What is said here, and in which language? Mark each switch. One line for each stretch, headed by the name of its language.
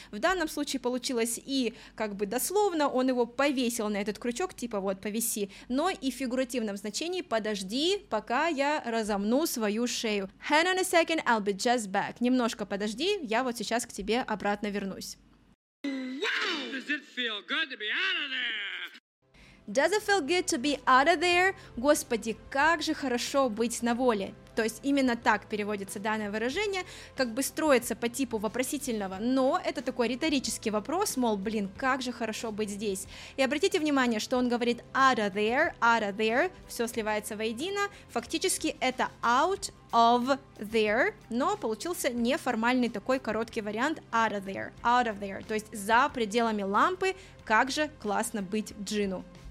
Russian: В данном случае получилось и как бы дословно, он его повесил на этот крючок, типа вот, повиси, но и в фигуративном значении: подожди, пока я разомну свою шею.
English: Hang on a second, I'll be just back.
Russian: Немножко подожди, я вот сейчас к тебе обратно вернусь.
English: Does it feel good to be out of there? Does it feel good to be out of there?
Russian: Господи, как же хорошо быть на воле. То есть именно так переводится данное выражение, как бы строится по типу вопросительного, но это такой риторический вопрос, мол, блин, как же хорошо быть здесь. И обратите внимание, что он говорит
English: out of there,
Russian: все сливается воедино, фактически это out of there, но получился неформальный такой короткий вариант out of there, то есть за пределами лампы, как же классно быть Джину.